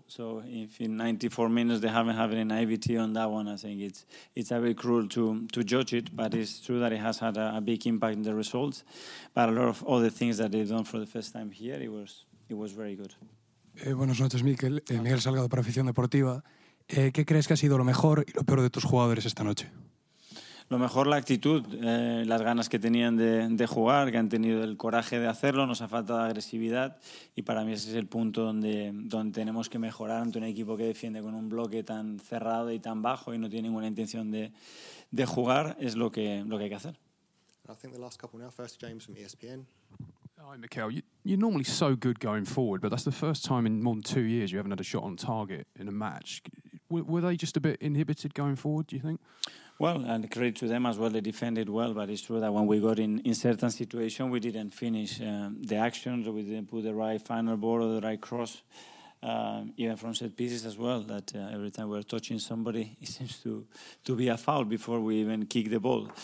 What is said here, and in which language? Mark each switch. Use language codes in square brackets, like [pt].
[en] So if in 94 minutes they haven't had any naivety on that one, I think it's a bit cruel to judge it. But it's true that it has had a big impact in the results. But a lot of other things that they've done for the first time here, it was very good. [es] Buenas noches, Mikel. Miguel Salgado para Afición Deportiva. ¿Qué crees que ha sido lo mejor y lo peor de tus jugadores esta noche? Lo mejor, la actitud, las ganas que tenían de jugar, que han tenido el coraje de hacerlo, nos ha faltado agresividad y para mí ese es el punto donde tenemos que mejorar ante un equipo que defiende con un bloque tan cerrado y tan bajo y no tiene ninguna intención de jugar, es lo que hay que hacer. [en] I think the last couple now. First, James from ESPN. Hi, Mikael. You're normally so good going forward, but that's the first time in more than 2 years you haven't had a shot on target in a match. Were they just a bit inhibited going forward, do you think? Well, and credit to them as well. They defended well, but it's true that when we got in certain situations, we didn't finish the actions, or we didn't put the right final ball or the right cross, even from set pieces as well, that every time we're touching somebody, it seems to be a foul before we even kick the ball.